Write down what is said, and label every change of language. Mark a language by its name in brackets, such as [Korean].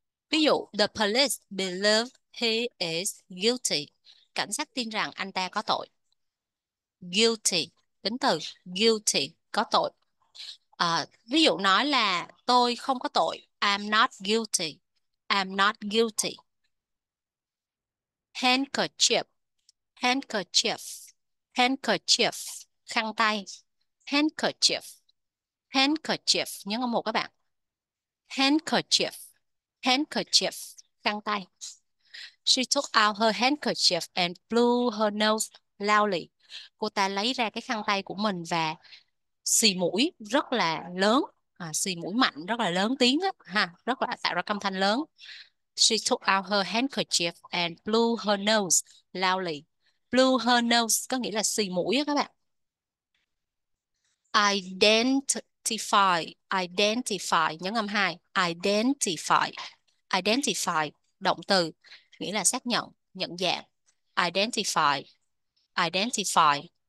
[Vietnamese] Ví dụ [English] the police believe he is guilty. [Vietnamese] Cảnh sát tin rằng anh ta có tội. Guilty, tính từ guilty, có tội. Ví dụ nói là tôi không có tội. [English] I'm not guilty. I'm not guilty. Handkerchief. Handkerchief. Handkerchief. [Vietnamese] Khăn tay. Handkerchief. Handkerchief. Nhớ không một các bạn. Handkerchief. Handkerchief. Khăn tay. [English] She took out her handkerchief and blew her nose loudly. [Vietnamese] Cô ta lấy ra cái khăn tay của mình và xì mũi rất là lớn, xì mũi mạnh rất là lớn tiếng á, ha, rất là tạo ra âm thanh lớn. [English] She took out her handkerchief and blew her nose loudly. [Vietnamese] Blew her nose có nghĩa là xì mũi á các bạn. [English] Identify, identify, [Vietnamese] nhấn âm hai, [English] identify, identify, [Vietnamese] động từ. Nghĩa là xác nhận, nhận dạng. Identify. Identify.